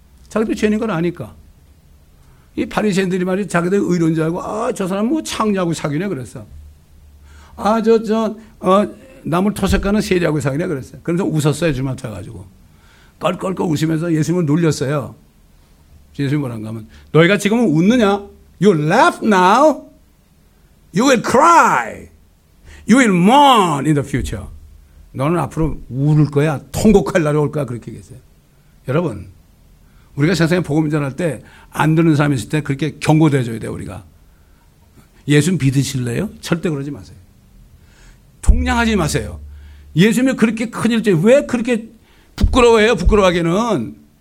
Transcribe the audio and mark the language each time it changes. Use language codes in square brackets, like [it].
[ko] 자기도 죄인인 걸 아니까. 이 바리새인들이 말이 자기들 의로운 줄 알고 아, 저 사람 뭐 창녀하고 사귀네 그랬어. 아, 나물 토색하는 세리하고 사귀네 그랬어. 그래서 웃었어요. 주님 앞에 와가지고 껄껄껄 웃으면서 예수님을 놀렸어요. 예수님 뭐라고 하면 너희가 지금은 웃느냐? [en] You laugh now. You will cry. You will mourn in the future. [ko] 너는 앞으로 울 거야. 통곡할 날이 올 거야. 그렇게 얘기했어요. 여러분, 우리가 세상에 복음 전할 때 안 듣는 사람이 있을 때 그렇게 경고도 해줘야 돼요, 우리가. 예수 믿으실래요? 절대 그러지 마세요. 동량하지 마세요. 예수님이 그렇게 큰일지 왜 그렇게 부끄러워해요, 부끄러워하기는.